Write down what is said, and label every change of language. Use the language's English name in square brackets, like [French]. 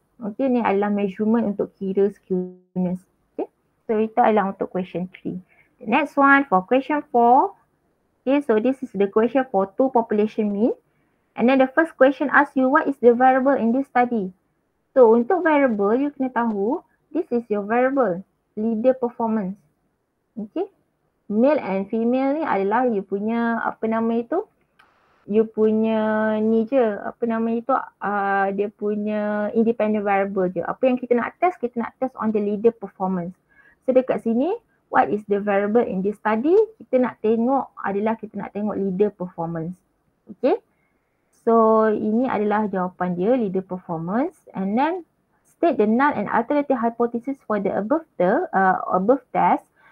[Malay] Okay, ni adalah measurement untuk kira skewness. [English] Okay, so [Malay] itu adalah untuk [English] question 3. The next one for question 4. Okay, so this is the question for 2 population mean. And then the first question asks you, what is the variable in this study? So untuk variable, you [Malay] kena tahu, [English] this is your variable, leader performance. [Malay] Okay, male and female ni adalah you punya apa nama itu, you punya ni je, apa nama itu, dia punya independent variable je. Apa yang kita nak test, kita nak test [English] on the leader performance. So dekat sini, what is the variable in this study? [Malay] Kita nak tengok adalah kita nak tengok leader performance. Okay, so ini adalah jawapan dia, leader performance. [English] And then state the null and alternative hypothesis for the above the above test.